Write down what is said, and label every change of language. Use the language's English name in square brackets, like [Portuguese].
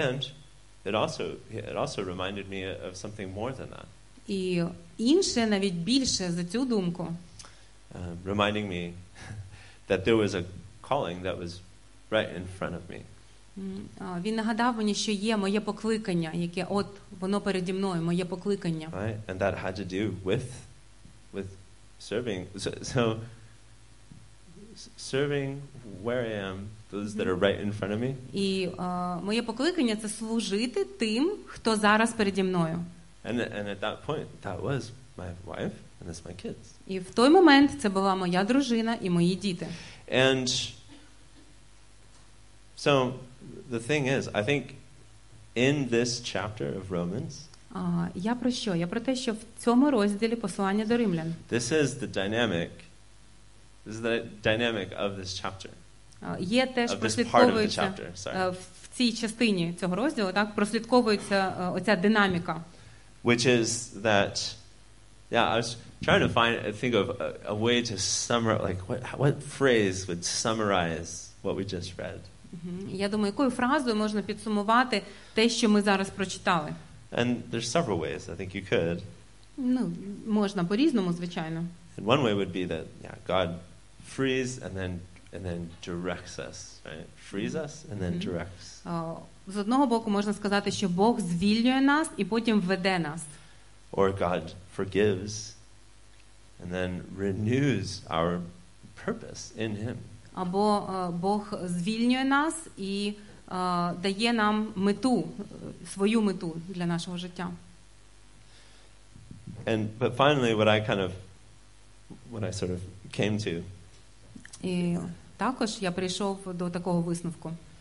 [English] And it also reminded me of something more than that. [Ukrainian] І інше, навіть більше за цю думку. [English] Reminding me that there was a calling that was right in front of me. [Ukrainian] Він нагадав мені, що є моє покликання, яке от воно переді мною, моє покликання. [English] Right? And that had to do with serving. So serving where I am, those that are right in front of me. [Ukrainian] І моє покликання — це служити тим, хто зараз переді мною. [English] And at that point, that was my wife and that's my kids. [Ukrainian] І в той момент це була моя дружина і мої діти. [English] And so the thing is, I think in this chapter of Romans, [Ukrainian] я про що? Я про те, що в цьому розділі послання до римлян. [English] This is the dynamic of this chapter. [Ukrainian] Є теж прослідковується в цій частині цього розділу, так? Прослідковується оця динаміка. [English] Which is that, I was trying to think of a way to summarize, like what phrase would summarize what we just read. [Ukrainian] Я думаю, якою фразою можна підсумувати те, що ми зараз прочитали. [English] And there's several ways, I think you could. [Ukrainian] Можна по-різному, звичайно. [English] And one way would be that, God frees and then directs us, right? Frees us and then directs. [Ukrainian] З одного боку можна сказати, що Бог звільнює нас і потім веде нас. [English] Or God forgives and then renews our purpose in him. [Ukrainian] Або Бог звільнює нас і дає нам мету, свою мету для нашого життя. [English] But finally what I sort of came to. [Ukrainian] І також я прийшов до такого висновку.